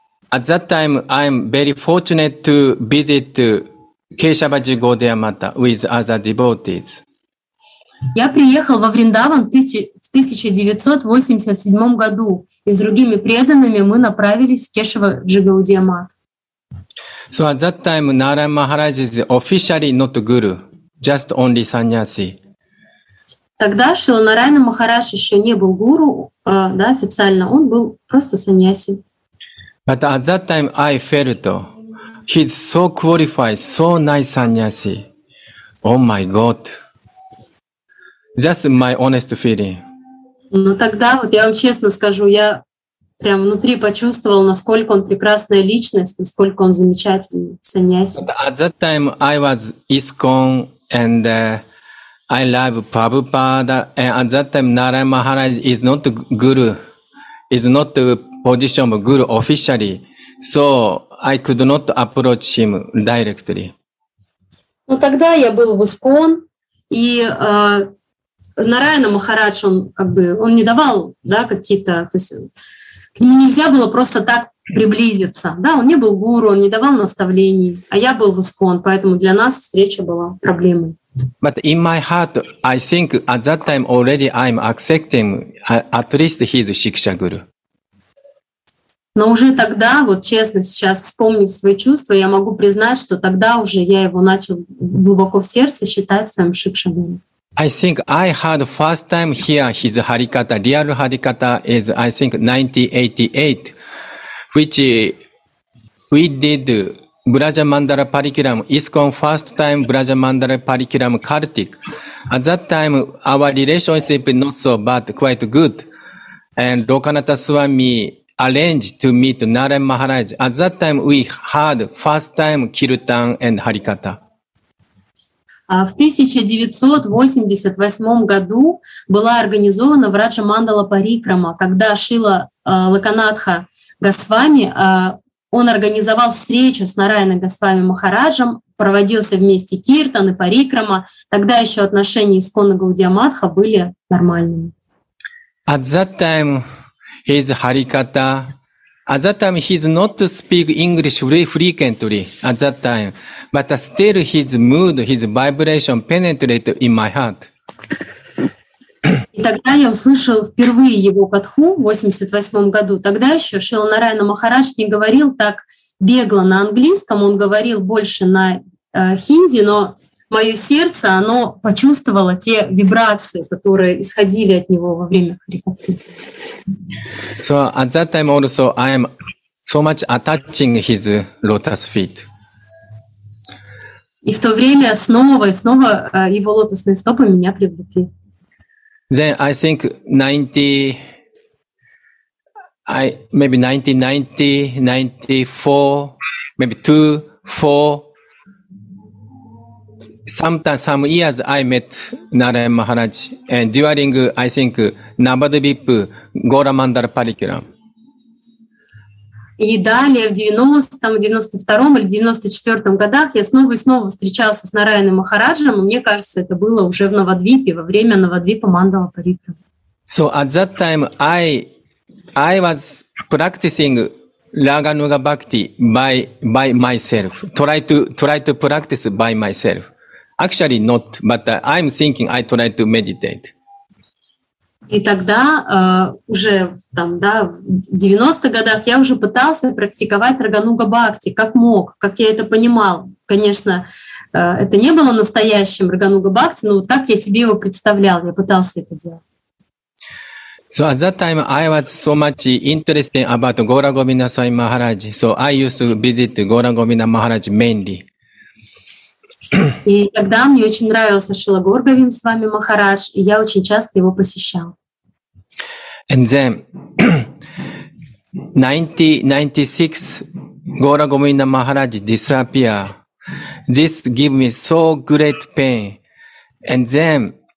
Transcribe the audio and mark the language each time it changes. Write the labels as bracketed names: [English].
[English] At that time I'm very fortunate to visit Keshavaji Gaudiya Mata with other devotees. [Russian] Я приехал во Вриндаван в 1987 году, и с другими преданными мы направились в Кешаваджи Гаудия Мат. [English] So at that time Narayan Maharaj is officially not guru, just only sannyasi. [Russian] Тогда Шрила Нараяна Махарадж еще не был гуру, да, официально, он был просто сannyasi. [English] But at that time I felt he's so qualified, so nice sannyasi. Oh my God. Just my honest feeling. [Russian] Ну тогда вот я вам честно скажу, я прям внутри почувствовал, насколько он прекрасная личность, насколько он замечательный саньяси. [English] At that time I was ISKCON and I love Prabhupada. And at that time Narayan Maharaj is not guru, is not position of guru officially, so I could not approach him directly. [Russian] Ну тогда я был в ISKCON и Нараяна Махарадж, он как бы, он не давал, да, какие-то, то есть к нему нельзя было просто так приблизиться, да, он не был гуру, он не давал наставлений, а я был в ИСКОН, поэтому для нас встреча была проблемой. [English] But in my heart, I think at that time already I'm accepting at least his Shiksha Guru. [Russian] Но уже тогда, вот честно сейчас вспомнив свои чувства, я могу признать, что тогда уже я его начал глубоко в сердце считать своим Шикша Гуру. [English] I think I heard first time hear his Harikata, real Harikata is I think 1988, which we did Brajamandala Parikiram, ISKCON first time Brajamandala Parikiram Kartik. At that time our relationship not so bad, quite good. And Lokanatha Swami arranged to meet Narayan Maharaj. At that time we heard first time Kirtan and Harikata. [Russian] В 1988 году была организована Враджа Мандала Парикрама, когда Шрила Локанатха Госвами, он организовал встречу с Нараяной Госвами Махараджем, проводился вместе киртан и парикрама. Тогда еще отношения исконно Гаудия Матха были нормальными. [English] At that time his Харикатта, at that time he's not speak English frequently at that time, but still his mood, his vibration penetrate in my heart. [Russian] И тогда я услышал впервые его катху в 88 году. Тогда еще Шрила Нараяна Махарадж не говорил так бегло на английском, он говорил больше на хинди, но мое сердце, оно почувствовало те вибрации, которые исходили от него во время харикатхи. [English] So at that time also I am so much attaching his lotus feet. [Russian] И в то время снова и снова его лотосные стопы меня привлекли. [English] Then I think 1990, 1994, maybe 2, 4. Sometimes, some years, I met Narayan Maharaj, and during, I think, Nabadvip Goramandala Parikram. [Russian] И далее, в 90-м, 92-м или 94-м годах я снова и снова встречался с Нараяной Махараджем, и мне кажется, это было уже в Навадвипе, во время Навадвипа Мандала Парикрама. [English] So at that time I was practicing Raganuga Bhakti by myself, try to practice by myself. Actually not, but I'm thinking I try to meditate. [Russian] И тогда уже там, да, в 90-х годах я уже пытался практиковать Рагануга Бхакти, как мог, как я это понимал. Конечно, это не было настоящим Рагануга Бхакти, но вот так я себе его представлял, я пытался это делать. [English] So at that time I was so much interested about Gaura Govinda Swami Maharaj, so I used to visit Gaura Govinda Maharaj mainly. [Russian] И тогда мне очень нравился Шрила Гаургавинд Свами Махарадж, и я очень часто его посещал. [English] And then, 1996, Gaura Govinda Maharaj disappeared. This gave me so great pain. And then,